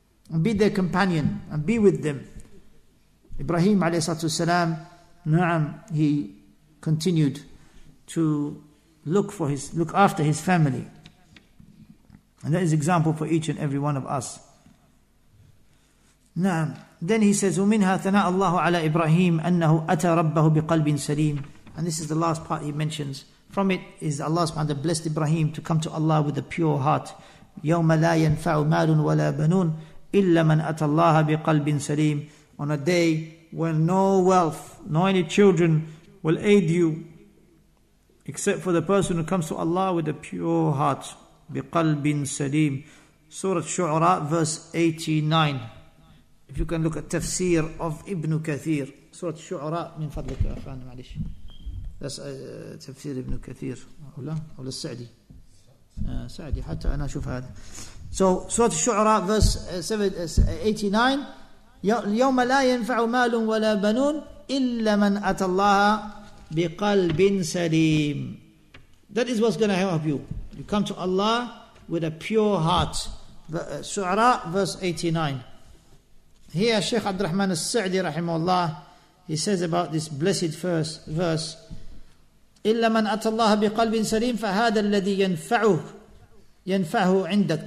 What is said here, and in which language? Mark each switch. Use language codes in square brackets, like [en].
[en] And be their companion. And be with them. Ibrahim alayhi salam, na'am, he continued to look after his family. And that is example for each and every one of us. Na'am. Then he says, [ar] وَمِنْهَا ثَنَاءَ اللَّهُ عَلَىٰ إِبْرَاهِيمَ أَنَّهُ أَتَى رَبَّهُ بِقَلْبٍ سَلِيمٍ. [en] And this is the last part he mentions. From it is Allah subhanahu wa ta'ala blessed Ibrahim to come to Allah with a pure heart. [ar] يَوْمَ لَا يَنْفَعُ مَالٌ وَلَا بَنُونَ إِلَّا مَنْ أَتَى اللَّهَ بِقَلْبٍ سَلِيمٍ. [en] On a day when no wealth, no any children will aid you, except for the person who comes to Allah with a pure heart. [ar] بِقَلْبٍ سَلِيمٍ. [en] Surah Shu'ara, verse 89. If you can look at tafsir of Ibn Kathir. Surah Shu'ara, [ar] min fadlik, afan, ma'alish. [en] That's tafsir Ibn Kathir. Awla al-Sa'di. [ar] Sa'di, hatta ana shuf hada. [en] So, Surah Shu'ara, verse 89. [ar] يَوْمَ لَا يَنْفَعُ مَالٌ وَلَا بَنُونَ إِلَّا مَنْ أَتَى اللَّهَ بِقَلْبٍ سَلِيمٍ. [en] That is what's going to help you. You come to Allah with a pure heart. Su'ara, verse 89. Here, Shaykh Abdul Rahman al-Sa'di, rahimahullah, he says about this blessed first verse, [ar] إِلَّا مَنْ أَتَى اللَّهَ بِقَلْبٍ سَلِيمٍ فَهَذَا الَّذِي يَنْفَعُهُ عِنْدَكَ.